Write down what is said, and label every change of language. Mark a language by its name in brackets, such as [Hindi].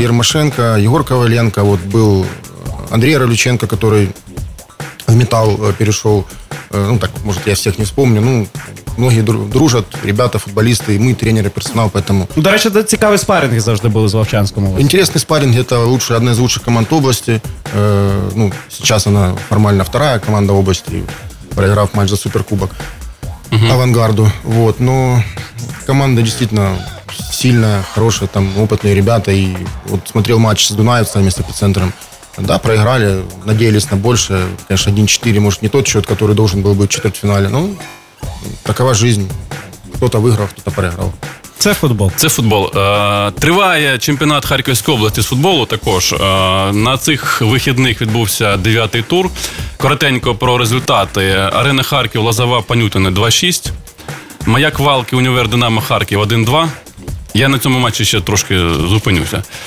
[Ukrainian] Єрмошенко, Єгор Коваленко. От був Андрій Ролюченко, який в «Метал» перейшов. Ну, так, може, я всіх не вспомню. Ну, многі дружать, ребята, футболісти, і ми, тренери, персонал, поэтому... До речі, це цікаві спарринги завжди були з Вовчанським. Інтересний спарринг [Russian] – это лучшая, одна з лучших команд області. Ну, сейчас она формально вторая команда області, проиграв матч за суперкубок «Авангарду». Вот, но команда действительно сильная, хорошая, там, опытные ребята. И вот смотрел матч с Дунаевцами, с «Эпицентром». Да, проиграли, надеялись на больше. Конечно, 1-4, может, не тот счет, который должен был быть в четвертьфинале, но такова жизнь. Кто-то выиграл, кто-то проиграл. [Ukrainian] Це футбол. Це футбол. Триває чемпіонат Харківської області з футболу також. На цих вихідних відбувся 9-й тур. Коротенько про результати. Арена Харків, Лозова, Панютине 2-6. Маяк Валки, Універ Динамо Харків 1-2. Я на цьому матчі ще трошки зупинюся.